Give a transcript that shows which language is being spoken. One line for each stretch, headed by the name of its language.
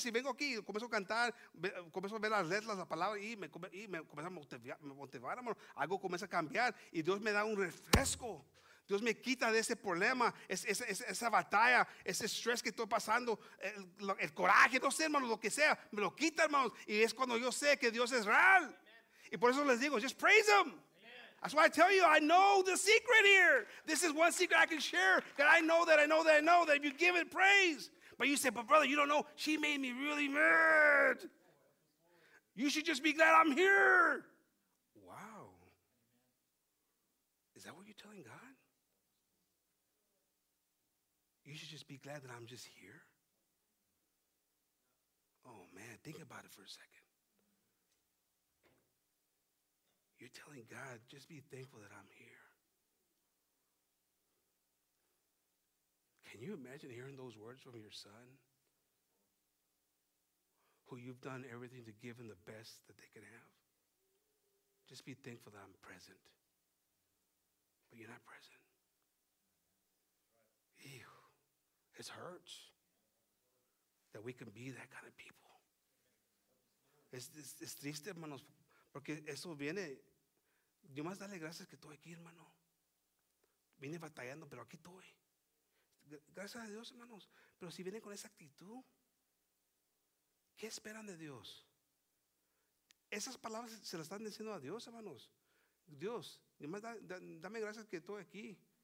Spanish: Si vengo aquí, comienzo a cantar, comienzo a ver las letras, las palabras, y me comienzo a motivar, hermano. Algo comienza a cambiar y Dios me da un refresco. Dios me quita de ese problema, esa batalla, ese estrés que estoy pasando, el coraje, no sé, hermano, lo que sea. Me lo quita, hermano. Y es cuando yo sé que Dios es real. Amen. Y por eso les digo,
English: just praise Him. That's why I tell you, I know the secret here. This is one secret I can share. That I know that if you give it praise. But you say, but brother, you don't know. She made me really mad. You should just be glad I'm here. Wow. Is that what you're telling God? You should just be glad that I'm just here? Oh, man, think about it for a second. You're telling God, just be thankful that I'm here. Can you imagine hearing those words from your son? Who you've done everything to give him the best that they can have. Just be thankful that I'm present. But you're not present. Ew. It hurts that we can be that kind of people.
Spanish: Es triste, hermanos, porque eso viene. Yo más dale gracias que estoy aquí, hermano. Vine batallando, pero aquí estoy. Gracias a Dios, hermanos. Pero si vienen con esa actitud, ¿qué esperan de Dios? Esas palabras se las están diciendo a Dios, hermanos. Dios, nomás dame gracias que estoy aquí.